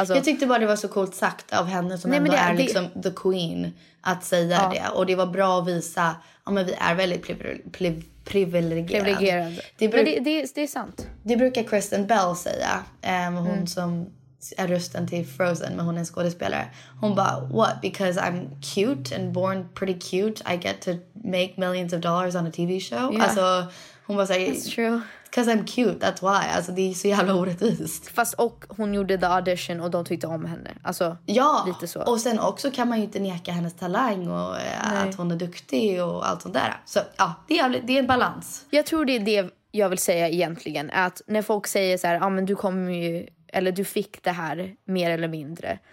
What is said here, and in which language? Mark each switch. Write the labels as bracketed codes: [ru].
[sv] Alltså, jag tyckte bara det var så coolt sagt av henne som är liksom the queen att säga det. Och det var bra att visa, ja, men vi är väldigt privilegierade. Det är sant. Det brukar Kristen Bell säga. Hon som är rösten till Frozen, men hon är en skådespelare. Hon bara, [en] what? Because I'm cute and born pretty cute, I get to make millions of dollars on a TV show. Yeah. [sv] Alltså, hon bara, [en] that's true. Because I'm cute, that's why. [sv] Alltså, det är så jävla orättvist. Fast och hon gjorde The Audition och de tyckte om henne. Alltså, ja, lite så. Och sen också kan man ju inte neka hennes talang och att hon är duktig och allt sånt där. Så ja, det är en balans. Jag tror det är det jag vill säga egentligen. Att när folk säger så här, ah, men du kommer ju, eller du fick det här mer eller mindre.